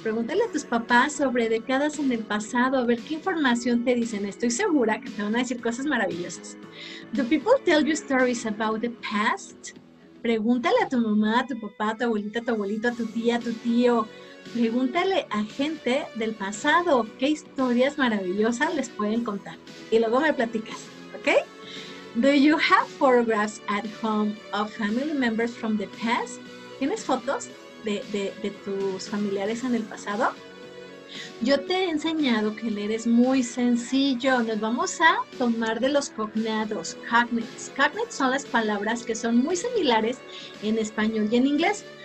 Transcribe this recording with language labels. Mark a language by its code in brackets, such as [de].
[es] Pregúntale a tus papás sobre décadas en el pasado. A ver qué información te dicen. Estoy segura que te van a decir cosas maravillosas. [en] Do people tell you stories about the past? [es] Pregúntale a tu mamá, a tu papá, a tu abuelita, a tu abuelito, a tu tía, a tu tío. Pregúntale a gente del pasado qué historias maravillosas les pueden contar. Y luego me platicas, ¿ok? [en] Do you have photographs at home of family members from the past? [es] ¿Tienes fotos de tus familiares en el pasado? Yo te he enseñado que leer es muy sencillo. Nos vamos a tomar de los cognados, cognates. Cognates son las palabras que son muy similares en español y en inglés.